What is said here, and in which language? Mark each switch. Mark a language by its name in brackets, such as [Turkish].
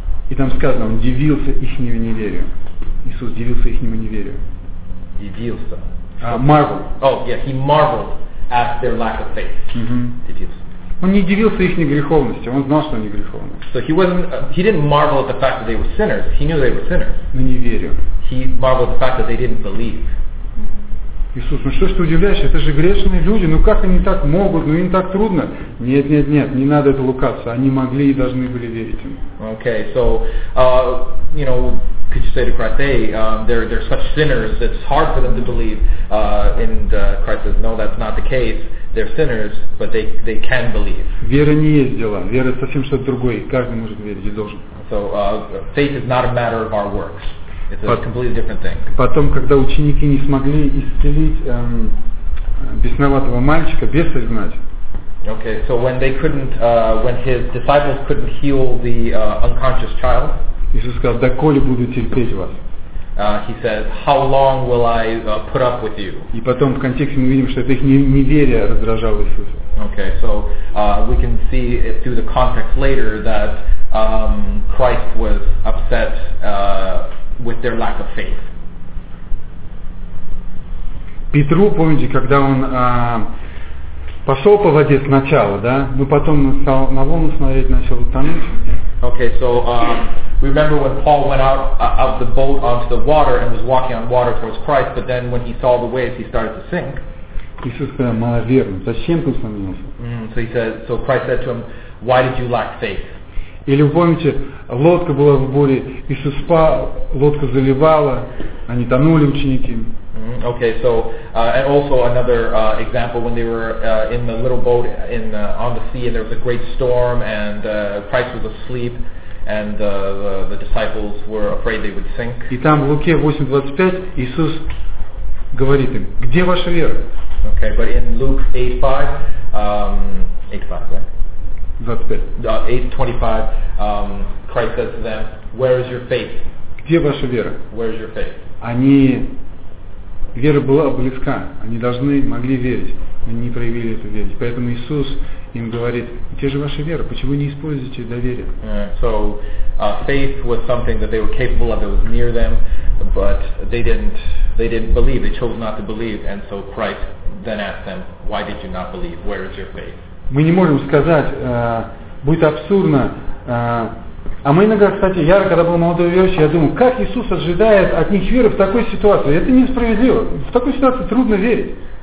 [Russian] И там сказано, он дивился ихнему неверию. Иисус дивился ихнему неверию. Дивился. [English] Marveled. Oh, yeah, he marveled at their lack of faith. [Russian] Дивился. Он не дивился их греховности, он знал, что они греховны. [English] So he didn't marvel at the fact that they were sinners. He knew they were sinners. [Russian] Но неверию. [English] He marveled at the fact that they didn't believe. [Russian] Иисус, ну что ж ты удивляешься, это же грешные люди, ну как они так могут, ну им так трудно. Нет, не надо это лукавиться, они могли и должны были верить ему. [English] Okay, so, you know, could you say to Christ, hey, they're such sinners, it's hard for them to believe, and Christ says, no, that's not the case, they're sinners, but they can believe. [Russian] Вера не есть дело, вера совсем что-то другое, каждый может верить и должен. [English] So, faith is not a matter of our works. It's a completely different thing. [Russian] Потом, когда ученики не смогли исцелить бесноватого мальчика, беса изгнать. [English] Okay, so when they couldn't, when his disciples couldn't heal the unconscious child. [Russian] Иисус сказал: «Доколе буду терпеть вас?» [English] He says, "How long will I put up with you?" [Russian] И потом в контексте мы видим, что это их неверие раздражало Иисуса. [English] Okay, so we can see it through the context later that Christ was upset. With their lack of faith. [Russian] Петру, помните, когда он пошел по воде сначала, да, но потом стал на волну смотреть, начал утонуть. [English] Okay, so we remember when Paul went out of the boat onto the water and was walking on water towards Christ, but then when he saw the waves, he started to sink. [Russian] Иисус сказал: «Маловерный, зачем ты усомнился?» [English] So Christ said to him, "Why did you lack faith?" [Russian] Или помните, лодка была в буре, Иисус спал, лодка заливала, они тонули, ученики. [English] Okay, so and also another example when they were in the little boat in on the sea and there was a great storm and Christ was asleep and the disciples were afraid they would sink. [Russian] И там в Луке 8:25 Иисус говорит им: где ваша вера? [English] Okay, but in Luke 8:5, right? 8:25, Christ says to them, "Where is your faith?" [Russian] Где ваша вера? [English] Where is your faith? [Russian] Они вера была близка. Они должны могли верить, но не проявили эту веру. Поэтому Иисус им говорит: где же ваша вера? Почему не используете доверие? [English] So faith was something that they were capable of. It was near them, but they didn't believe. They chose not to believe, and so Christ then asked them, "Why did you not believe? Where is your faith?" [Russian] Мы не можем сказать, будет абсурдно. А мы иногда, кстати, я, когда был молодой верующий, я думал, как Иисус ожидает от них веры в такой ситуации? Это несправедливо. В такой ситуации трудно верить.